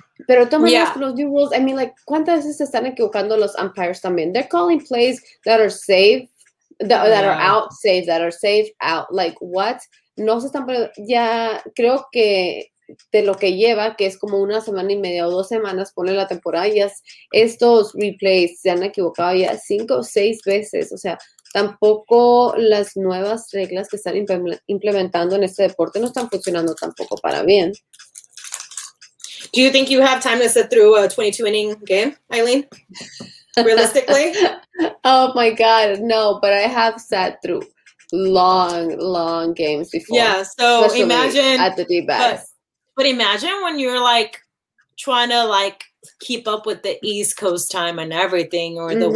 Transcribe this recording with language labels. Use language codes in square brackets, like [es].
[es] Pero toman los new rules. [en] I mean, like, [es] ¿cuántas veces se están equivocando los umpires también? [en] They're calling plays that are safe, that are out. Like, what? [es] No se están poniendo. Ya creo que de lo que lleva, que es como una semana y media o dos semanas, pone la temporada, ya estos replays se han equivocado ya 5 o 6 veces. O sea, tampoco las nuevas reglas que están implementando en este deporte no están funcionando tampoco para bien. [en] Do you think you have time to sit through a 22-inning game, Eileen? Realistically? Oh, my God, no. But I have sat through long, long games before. Yeah, so imagine at the D-backs. But imagine when you're, like, trying to, like, keep up with the East Coast time and everything or the mm-hmm.